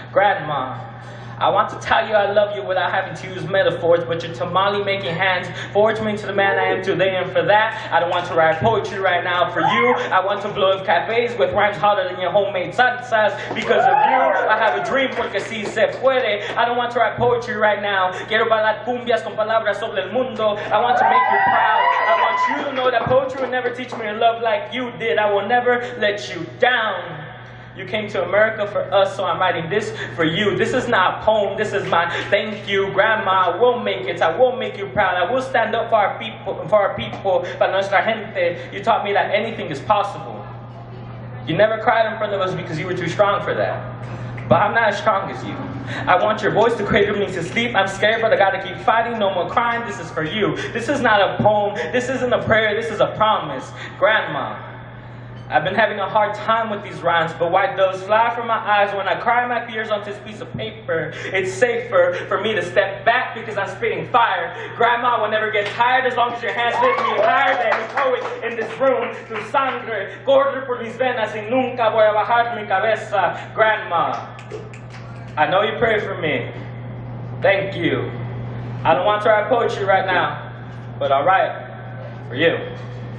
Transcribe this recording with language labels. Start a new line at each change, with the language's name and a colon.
English: Grandma, I want to tell you I love you without having to use metaphors, but your tamale-making hands forged me into the man I am today, and for that, I don't want to write poetry right now. For you, I want to blow up cafes with rhymes hotter than your homemade salsas. Because of you, I have a dream,
Spanish: porque si se puede.
English: I don't want to write poetry right now.
Spanish: Quiero bailar cumbias con palabras sobre el mundo.
English: I want to make you proud. I want you to know that poetry will never teach me to love like you did. I will never let you down. You came to America for us, so I'm writing this for you. This is not a poem, this is my thank you. Grandma, I will make it, I will make you proud. I will stand up for our people,
Spanish: para nuestra gente.
English: You taught me that anything is possible. You never cried in front of us because you were too strong for that. But I'm not as strong as you. I want your voice to cradle me to sleep. I'm scared, but I gotta keep fighting. No more crying, this is for you. This is not a poem, this isn't a prayer, this is a promise. Grandma, I've been having a hard time with these rhymes, but white doves fly from my eyes when I cry my fears on this piece of paper. It's safer for me to step back because I'm spitting fire. Grandma will never get tired as long as your hands lift me higher than a poet in this room.
Spanish: Tu sangre corre por mis venas y nunca voy a bajar mi cabeza.
English: Grandma, I know you pray for me. Thank you. I don't want to write poetry right now, but I'll write for you.